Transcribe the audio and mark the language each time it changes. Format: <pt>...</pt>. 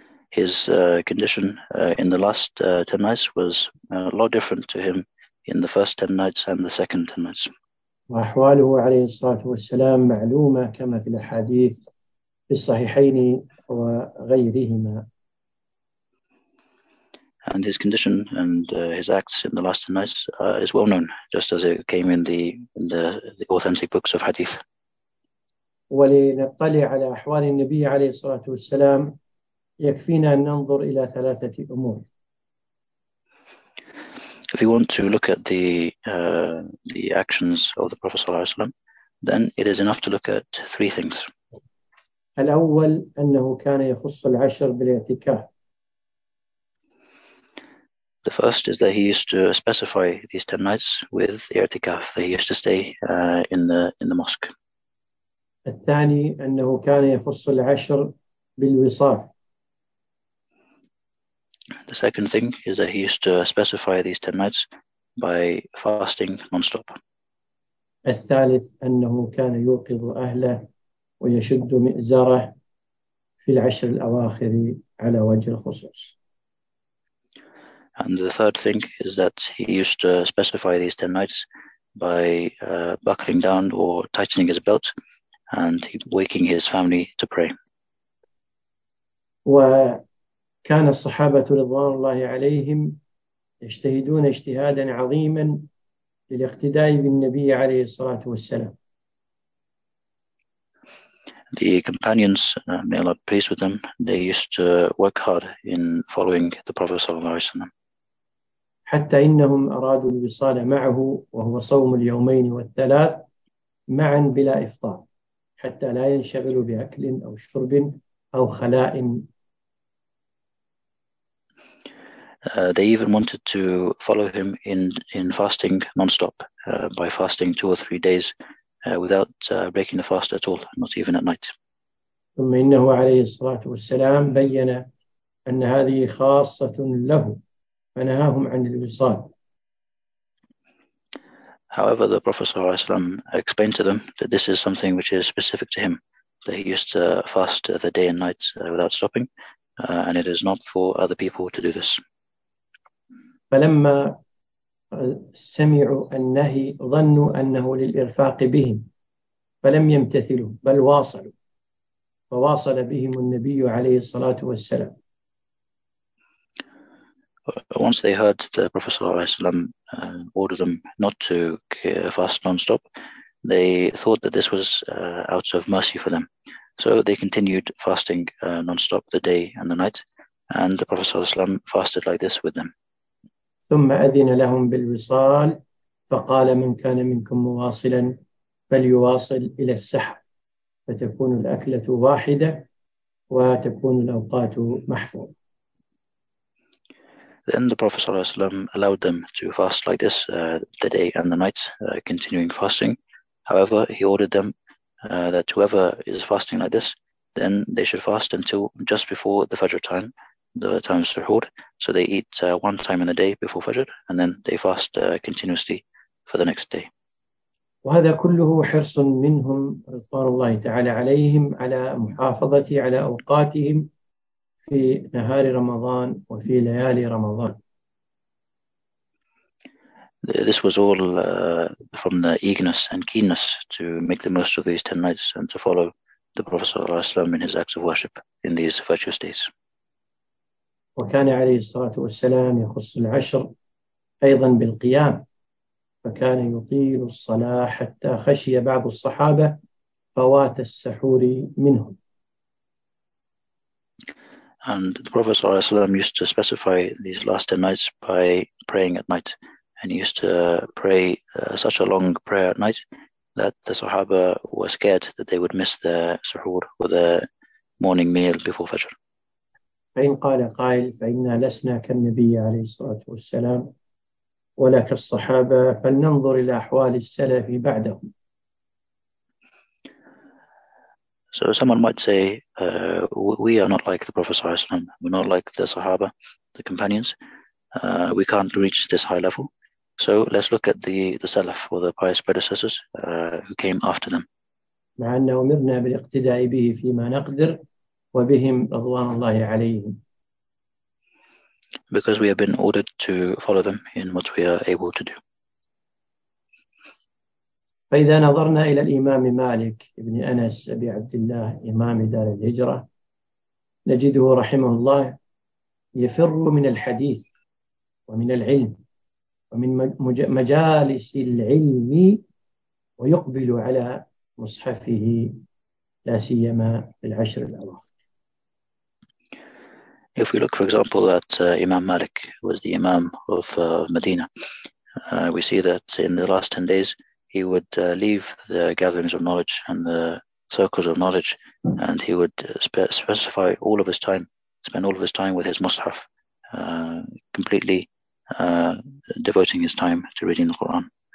<en>His condition in the last 10 nights was a lot different to him in the first 10 nights and the second 10 nights.</en> <ar>وأحواله عليه الصلاة والسلام معلومة كما في الأحاديث في الصحيحين وغيرهما.</ar> <en>And his condition and his acts in the last 10 nights is well known, just as it came in the authentic books of hadith.</en> <ar>ولنطلع على أحوال النبي عليه الصلاة والسلام يكفينا أن ننظر إلى ثلاثة أمور.</ar> <en>If you want to look at the actions of the Prophet</en> <ar>صلى الله عليه وسلم,</ar> <en>then it is enough to look at three things.</en> <ar>الأول أنه كان يخص العشر بالاعتكاف.</ar> <en>The first is that he used to specify these 10 nights with i'tikaf, that he used to stay in the mosque.</en> <ar>الثاني أنه كان يخص العشر بالوصال.</ar> <en>The second thing is that he used to specify these 10 nights by fasting non-stop.</en> <ar>الثالث أنه كان يوقظ أهله ويشد مئزره في العشر الأواخر على وجه الخصوص.</ar> <en>And the third thing is that he used to specify these 10 nights by buckling down or tightening his belt and waking his family to pray.</en> <ar>وكان الصحابة رضوان الله عليهم يجتهدون اجتهادا عظيما للاقتداء بالنبي عليه الصلاة والسلام.</ar> <en>The companions, may Allah be pleased with them, they used to work hard in following the Prophet</en> <ar>صلى الله عليه وسلم. حتى إنهم أرادوا الوصال معه وهو صوم اليومين والثلاث معا بلا إفطار حتى لا ينشغلوا بأكل أو شرب أو خلاء.</ar> <en>They even wanted to follow him in fasting non-stop by fasting two or three days without breaking the fast at all, not even at night.</en> <ar>ثم إنه عليه الصلاة والسلام بيّن أن هذه خاصة له فنهاهم عن الوصال.</ar> <en>However, the Prophet</en> <ar>صلى الله عليه وسلم</ar> <en>explained to them that this is something which is specific to him, that he used to fast the day and night without stopping, and it is not for other people to do this.</en> <ar>فلما سمعوا النهي ظنوا أنه للإرفاق بهم فلم يمتثلوا بل واصلوا، فواصل بهم النبي عليه الصلاة والسلام.</ar> <en>Once they heard the Prophet order them not to fast non-stop, they thought that this was out of mercy for them. So they continued fasting non-stop the day and the night, and the Prophet fasted like this with them.</en> <ar>ثم أذن لهم بالوصال فقال من كان منكم مواصلا فليواصل إلى السحر فتكون الأكلة واحدة وتكون الأوقات محفوظة.</ar> <en>Then the Prophet ﷺ allowed them to fast like this, the day and the night, continuing fasting. However, he ordered them that whoever is fasting like this, then they should fast until just before the Fajr time, the time of Suhoor. So they eat one time in the day before Fajr, and then they fast continuously for the next day.</en> <ar>وهذا كله حرص منهم رضوان الله تعالى عليهم على محافظة على أوقاتهم في نهار رمضان وفي ليالي رمضان.</ar> <en>This was all from the eagerness and keenness to make the most of these 10 nights and to follow the Prophet</en> <ar>صلى الله عليه وسلم</ar> <en>in his acts of worship in these virtuous days.</en> <ar>وكان عليه الصلاة والسلام يخص العشر أيضا بالقيام، فكان يطيل الصلاة حتى خشي بعض الصحابة فوات السحور منهم.</ar> <en>And the Prophet</en> <ar>صلى الله عليه وسلم</ar> <en>used to specify these last 10 nights by praying at night. And he used to pray such a long prayer at night that the Sahaba were scared that they would miss the suhoor or the morning meal before Fajr.</en> <ar>فإن قال قائل فإنا لسنا كالنبي عليه الصلاة والسلام ولا كالصحابة فلننظر إلى أحوال السلف بعدهم.</ar> <en>So someone might say, we are not like the Prophet</en> <ar>صلى الله عليه وسلم.</ar> <en>We're not like the Sahaba, the companions. We can't reach this high level. So let's look at the Salaf or the pious predecessors who came after them.</en> <ar>مع أن أمرنا بالاقتداء به فيما نقدر وبهم رضوان الله عليهم.</ar> <en>Because we have been ordered to follow them in what we are able to do.</en> <ar>فإذا نظرنا إلى الإمام مالك بن أنس أبي عبد الله إمام دار الهجرة نجده رحمه الله يفر من الحديث ومن العلم ومن مجالس العلم ويقبل على مصحفه لا سيما في العشر الأواخر.</ar> <en>If we look, for example, at Imam Malik, who was the Imam of Medina, we see that in the last 10 days, he would leave the gatherings of knowledge and the circles of knowledge, and he would specify all of his time, spend all of his time with his Mus'haf, completely devoting his time to reading the Quran.</en>